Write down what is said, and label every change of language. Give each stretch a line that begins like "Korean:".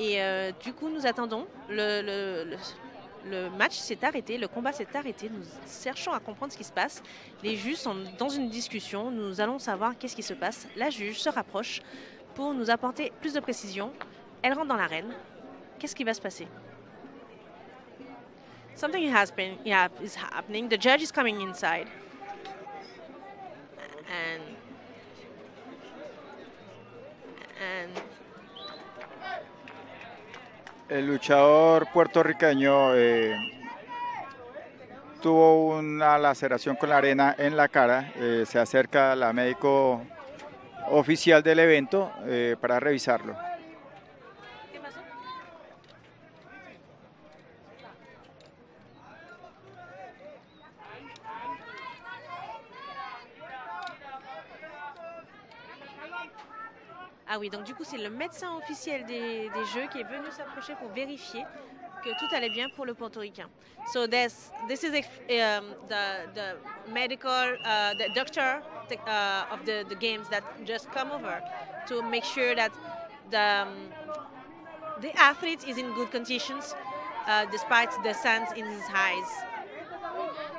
French: Et du coup, nous attendons. Le match s'est arrêté, le combat s'est arrêté. Nous cherchons à comprendre ce qui se passe. Les juges sont dans une discussion. Nous allons savoir qu'est-ce qui se passe. La juge se rapproche pour nous apporter plus de précision. Elle rentre dans l'arène. Qu'est-ce qui va se passer?
English: Something has been, is happening. The judge is coming inside. and
Spanish: el luchador puertorriqueño tuvo una laceración con la arena en la cara. Se acerca la médico oficial del evento para revisarlo.
French: Ah oui, donc du coup, c'est le médecin officiel des Jeux qui est venu s'approcher pour vérifier que tout allait bien pour le Portoricain.
English: So this is the medical the doctor of the games that just come over to make sure that the athlete is in good conditions despite the sands in his eyes.